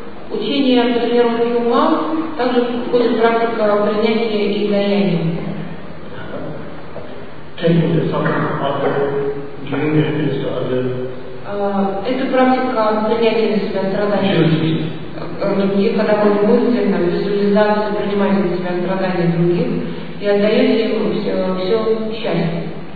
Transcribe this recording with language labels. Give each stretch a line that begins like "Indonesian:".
Russian: Учение о тренировке ума также входит в практика принятия и даяния.
English: Taking the suffering from others, giving the happiness to others.
Russian: Это практика принятия на себя страдания других, когда вы мысленно, визуализацию принимаете на себя страдания других и отдаете им все счастье.